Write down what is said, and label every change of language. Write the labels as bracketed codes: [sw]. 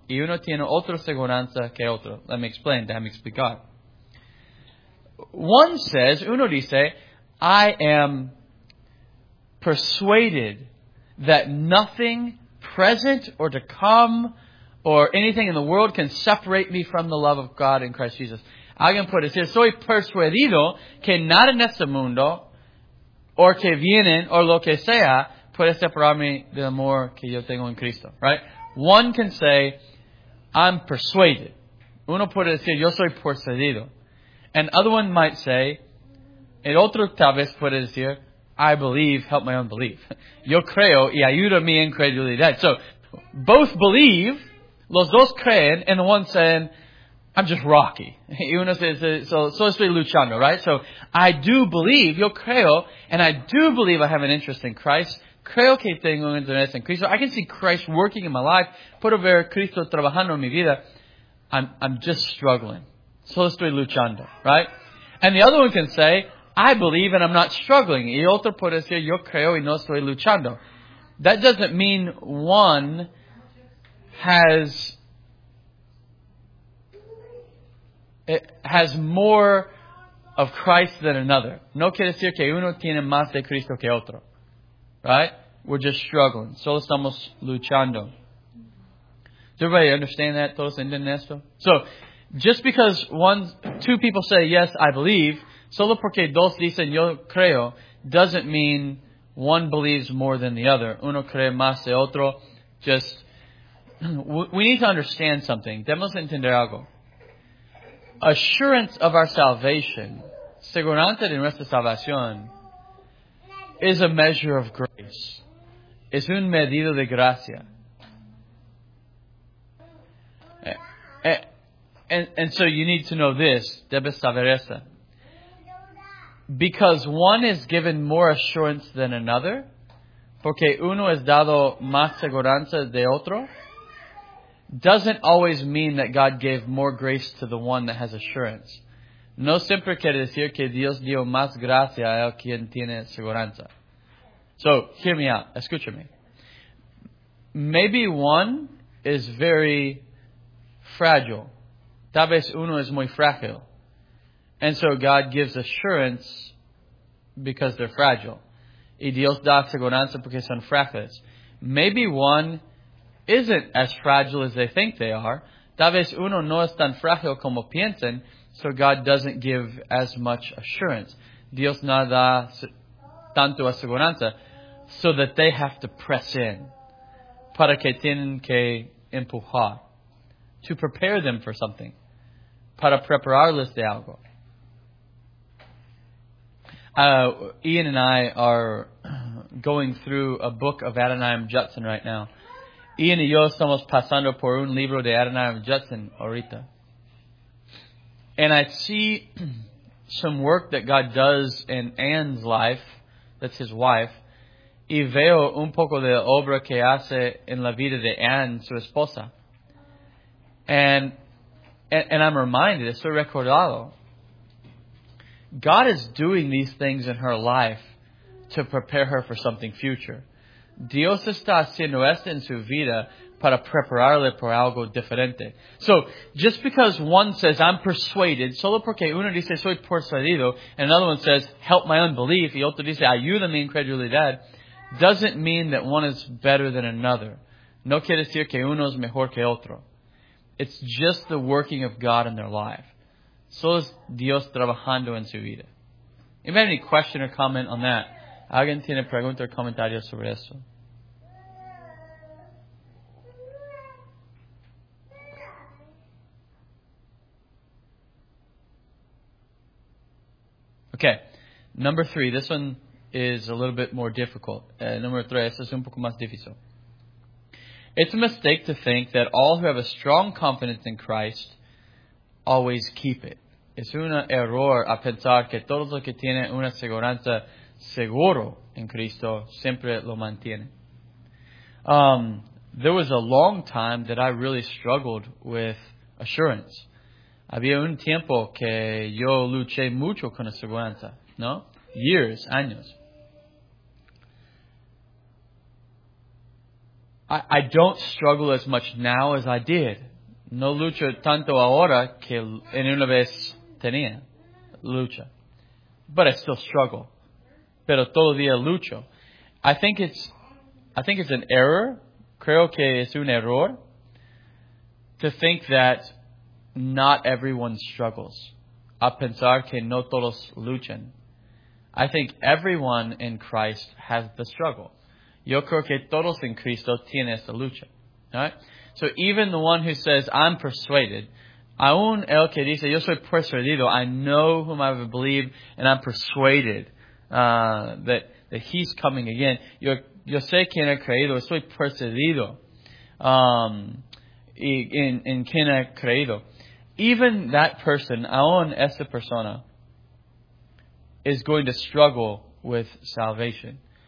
[es] Y uno tiene otra seguranza que otro. [en] Let me explain. [es] Déjame explicar. [en] One says, [es] uno dice, [en] I am persuaded that nothing present or to come or anything in the world can separate me from the love of God in Christ Jesus. [es] Alguien puede decir, soy persuadido que nada en este mundo o que vienen o lo que sea puede separarme del amor que yo tengo en Cristo. [en] Right? One can say, I'm persuaded. [es] Uno puede decir, yo soy persuadido. [en] And other one might say, [es] el otro tal vez puede decir, [en] I believe, help my unbelief. [es] Yo creo y ayuda mi incredulidad. [en] So, both believe, [es] los dos creen, [en] and the one saying, I'm just rocky. [es] Y uno [en] says, so [es] estoy luchando, [en] right? So, I do believe, [es] yo creo, [en] and I do believe I have an interest in Christ. [es] Creo que tengo un interés en Cristo. [en] I can see Christ working in my life. [es] Puedo ver Cristo trabajando en mi vida. [en] I'm just struggling. [es] So estoy luchando, right? [en] And the other one can say, I believe and I'm not struggling. [es] Y otro puede decir, yo creo y no estoy luchando. [en] That doesn't mean one has more of Christ than another. [es] No quiere decir que uno tiene más de Cristo que otro. [en] Right? We're just struggling. [es] Solo estamos luchando. [en] Does everybody understand that? [es] ¿Todos entienden esto? [en] So, just because two people say, yes, I believe, [es] solo porque dos dicen, yo creo, [en] doesn't mean one believes more than the other. [es] Uno cree más de otro. [en] Just, we need to understand something. [es] Debemos entender algo. [en] Assurance of our salvation, [es] seguranza de nuestra salvación, [en] is a measure of grace. [es] Es un medido de gracia. [en] And so you need to know this. [es] Debes saber esta. [en] Because one is given more assurance than another, [es] porque uno es dado más seguranza de otro, [en] doesn't always mean that God gave more grace to the one that has assurance. [es] No siempre quiere decir que Dios dio más gracia a quien tiene seguranza. [en] So, hear me out. [es] Escúchame. [en] Maybe one is very fragile. [es] Tal vez uno es muy frágil. [en] And so God gives assurance because they're fragile. [es] Y Dios da seguranza porque son frágiles. [en] Maybe one isn't as fragile as they think they are. [es] Tal vez uno no es tan frágil como piensan. [en] So God doesn't give as much assurance. [es] Dios no da tanto aseguranza. [en] So that they have to press in. [es] Para que tienen que empujar. [en] To prepare them for something. [es] Para prepararles de algo. [en] Ian and I are going through a book of Adoniram Judson right now. [es] Ian y yo estamos pasando por un libro de Adoniram Judson ahorita. [en] And I see some work that God does in Ann's life, that's his wife, [es] y veo un poco de obra que hace en la vida de Ann, su esposa. [en] And I'm reminded, [es] estoy recordado, [en] God is doing these things in her life to prepare her for something future. [es] Dios está haciendo esto en su vida para prepararle por algo diferente. [en] So, just because one says, I'm persuaded, [es] solo porque uno dice, soy persuadido, [en] and another one says, help my unbelief, [es] y otro dice, ayuda mi incredulidad, [en] doesn't mean that one is better than another. [es] No quiere decir que uno es mejor que otro. [en] It's just the working of God in their life. [es] Solo es Dios trabajando en su vida. [en] If you have any question or comment on that, [es] ¿alguien tiene pregunta o comentario sobre eso? [en] Okay, number three. This one is a little bit more difficult. Number three, [es] esto es un poco más difícil. [en] It's a mistake to think that all who have a strong confidence in Christ always keep it. [es] Es un error a pensar que todos los que tienen una seguridad seguro en Cristo siempre lo mantienen. [en] There was a long time that I really struggled with assurance. [es] Había un tiempo que yo luché mucho con la seguridad, ¿no? [en] Years, [es] años. [en] I don't struggle as much now as I did. [es] No lucho tanto ahora que en una vez tenía lucha. [en] But I still struggle. [es] Pero todo día lucho. [en] I think it's an error. [es] Creo que es un error [en] to think that not everyone struggles. [es] A pensar que no todos luchan. [en] I think everyone in Christ has the struggle. [es] Yo creo que todos en Cristo tienen esta lucha. [en] All right? So even the one who says, I'm persuaded, [es] aún el que dice, yo soy persuadido, [en] I know whom I believe, and I'm persuaded that he's coming again. [es] Yo sé quien ha creído, soy persuadido en quien ha creído. [en] Even that person, [es] aún esa persona, [en] is going to struggle with salvation.